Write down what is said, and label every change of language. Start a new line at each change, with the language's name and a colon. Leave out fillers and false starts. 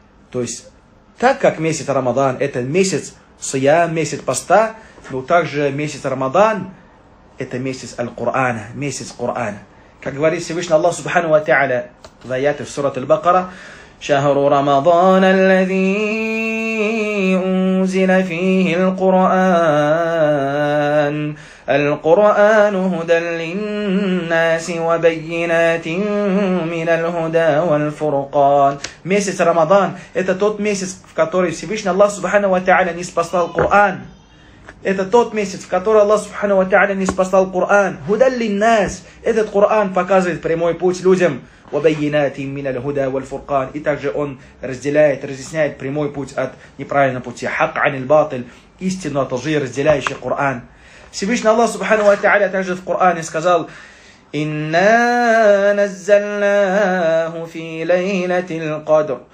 Russian: То есть, так как месяц Рамадан, это месяц сиям, месяц поста, но также месяц Рамадан, это месяц Аль-Кур'ана, месяц Кур'ана. Как говорит Всевышний Аллах Субхану ва Тааля в аяте в сурат Аль-Бакара,
Arabic: «Шахру Рамадана, аллази унзила фихи Аль-Кур'ан». القرآن هدى للناس وبينات من الهدى والفرقان.
Russian: Месяц Рамадан – это тот месяц, в который Всевышний Аллах Субхану ва Тааля ниспослал Коран. Это тот месяц, в который Аллах Субхану ва Тааля ниспослал Коран.
Arabic: هدى للناس
Russian: – этот Коран показывает прямой путь людям.
Arabic: وبينات من الهدى والفرقان.
Russian: И также он разделяет, разъясняет прямой путь от неправильного пути.
Arabic: حق عن الباطل
Russian: – истину от лжи, разделяющий Коран. Всевышний Аллах Субхану ва Тааля также в Коране сказал:
Arabic: «Инна анзалнаху фи лейлатиль кадр».